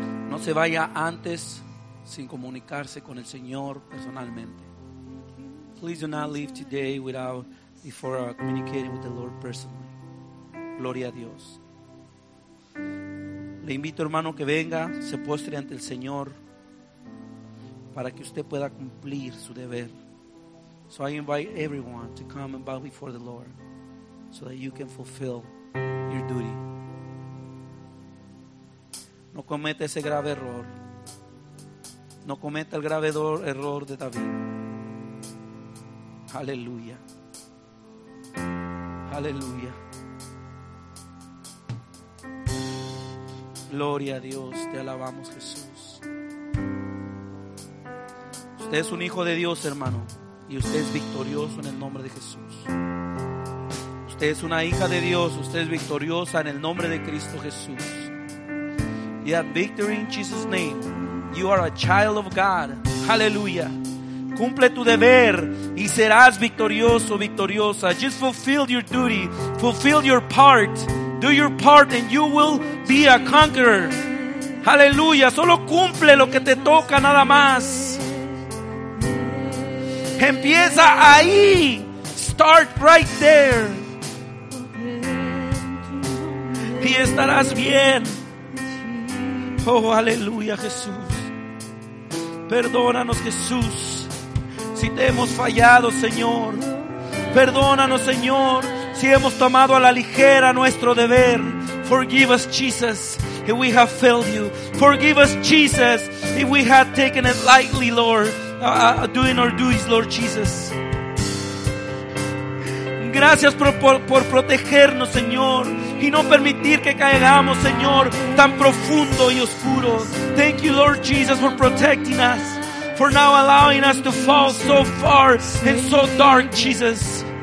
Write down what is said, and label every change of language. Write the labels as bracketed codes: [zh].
[es] No se vaya antes sin comunicarse con el Señor personalmente. [en] Please do not leave today without before communicating with the Lord personally. [es] Gloria a Dios. Le invito, hermano, que venga, se postre ante el Señor para que usted pueda cumplir su deber. [en] So I invite everyone to come and bow before the Lord so that you can fulfill your duty. [es] No cometa ese grave error. No cometa el grave error de David. Aleluya. Aleluya. Gloria a Dios. Te alabamos, Jesús. Usted es un hijo de Dios, hermano. Y usted es victorioso en el nombre de Jesús. Usted es una hija de Dios. Usted es victoriosa en el nombre de Cristo Jesús. [en] You have victory in Jesus' name. You are a child of God. Hallelujah. [es] Cumple tu deber y serás victorioso, victoriosa. [en] Just fulfill your duty. Fulfill your part. Do your part and you will be a conqueror. Hallelujah. [es] Solo cumple lo que te toca, nada más. Empieza ahí. [en] Start right there. [es] Y estarás bien. Oh, aleluya, Jesús. Perdónanos, Jesús, si te hemos fallado, Señor. Perdónanos, Señor, si hemos tomado a la ligera nuestro deber. [en] Forgive us, Jesus, if we have failed you. Forgive us, Jesus, if we have taken it lightly, Lord, doing our duties, Lord Jesus. [es] Gracias por protegernos, Señor, y no permitir que caigamos, Señor, tan profundo y oscuro. [en] Thank you, Lord Jesus, for protecting us, for now allowing us to fall so far and so dark, Jesus.